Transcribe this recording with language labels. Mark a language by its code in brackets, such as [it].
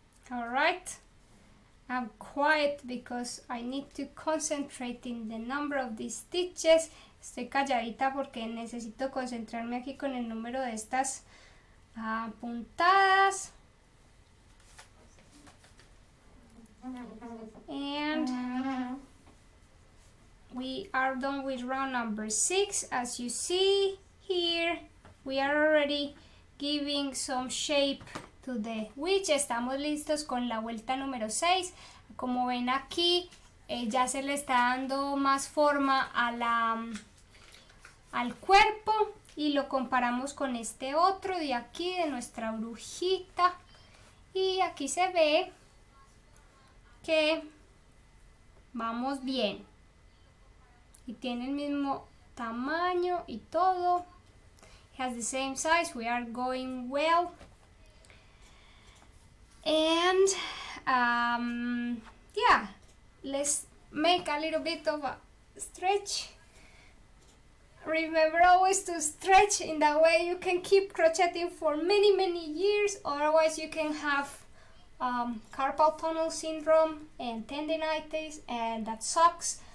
[en] Alright, I'm quiet because I need to concentrate in the number of these stitches. [es] Estoy calladita porque necesito concentrarme aquí con el número de estas puntadas. [en] And we are done with round number 6. As you see here, we are already giving some shape. The witch, [es] estamos listos con la vuelta número 6. Como ven aquí, ya se le está dando más forma a la al cuerpo y lo comparamos con este otro de aquí, de nuestra brujita, y aquí se ve que vamos bien y tiene el mismo tamaño y todo. [en] It has the same size, we are going well. And yeah, let's make a little bit of a stretch. Remember always to stretch in that way you can keep crocheting for many, many years, otherwise you can have carpal tunnel syndrome and tendinitis, and that sucks.